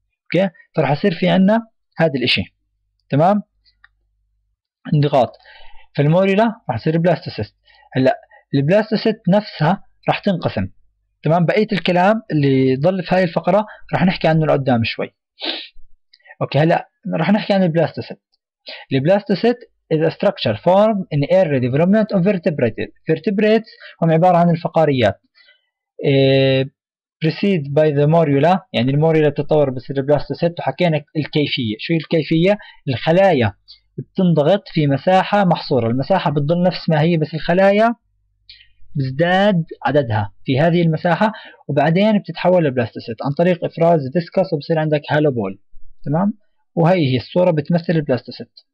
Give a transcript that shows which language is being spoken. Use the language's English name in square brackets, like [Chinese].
[Arabic] اوكي، فراح يصير في عندنا هذا الشيء، تمام، انضغاط في الموريلا، راح يصير بلاستوسيست. هلا البلاستوسيت نفسها راح تنقسم، تمام. بقيه الكلام اللي ضل في هاي الفقره راح نحكي عنه لقدام شوي. اوكي، هلا راح نحكي عن البلاستوسيت. [English] البلاستوسيت is a structure formed in early development of vertebrates. [Arabic] vertebrates هم عباره عن الفقاريات. [English] preceded by the morula, [Arabic] يعني الموريلا تتطور بصير البلاستوسيت. وحكينا الكيفيه، شو الكيفيه؟ الخلايا بتنضغط في مساحة محصورة، المساحة بتضل نفس ما هي بس الخلايا بزداد عددها في هذه المساحة، وبعدين بتتحول لبلاستوسيت عن طريق إفراز ديسكس وبصير عندك هالو بول، تمام؟ وهي هي الصورة بتمثل البلاستوسيت.